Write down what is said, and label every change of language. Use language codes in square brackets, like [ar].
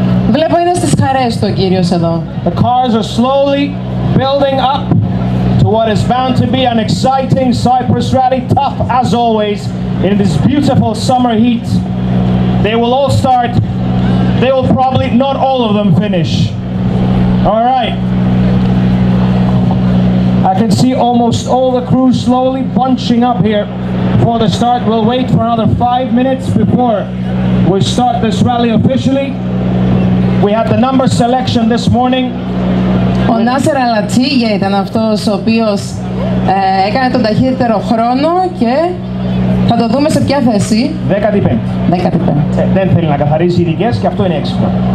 [el] Βλέπω είναι στις χαρές του ο κύριος εδώ. [en] The cars are slowly building up to what is bound to be an exciting Cyprus Rally. Tough as always in this beautiful summer heat. They will all start. They will probably not all of them finish. All right. I can see almost all the crew slowly bunching up here for the start. We'll wait for another 5 minutes before we start this rally officially. We had the number selection this morning. [el] Ο Νάσερ Αλατσίγια ήταν αυτός ο οποίος έκανε τον ταχύτερο χρόνο και θα το δούμε σε ποια θέση. 15. 15. Δεν θέλει να καθαρίζει ειδικές και αυτό είναι έξυπνο.